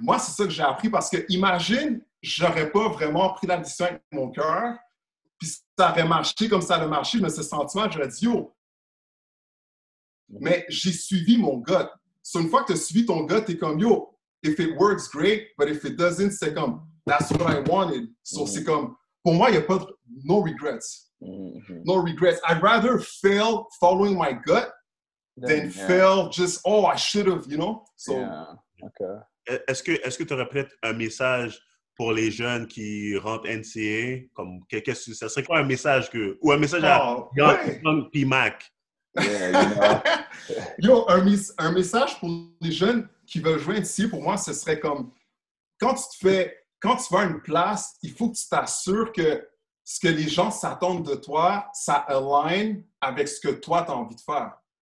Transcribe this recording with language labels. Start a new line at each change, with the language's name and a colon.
French: Moi, c'est ça que j'ai appris, parce que, imagine, j'aurais pas vraiment pris la décision avec mon cœur, puis ça aurait marché comme ça a marché, mais ce sentiment, j'aurais dit, yo. Mais j'ai suivi mon gut. So, une fois que t'as suivi ton gut, t'es comme, yo,
English: if it works, great, but if it doesn't,
French: c'est comme,
English: that's what I wanted.
French: So, c'est comme, pour moi, il n'y a pas de,
English: no regrets. Mm-hmm. No regrets. I'd rather fail following my gut than fail just, oh, I should have, you know? So, okay.
French: Est-ce que tu aurais peut-être un message pour les jeunes qui rentrent NCAA? Comme, qu'est-ce que ça serait, quoi, un message que, ou un message à Young P-Mac?
English: Yeah, you know.
French: Yo, un message pour les jeunes qui veulent jouer NCAA, pour moi, ce serait comme, quand tu vas à une place, il faut que tu t'assures que ce que les gens s'attendent de toi, ça align avec ce que toi, tu as envie de faire.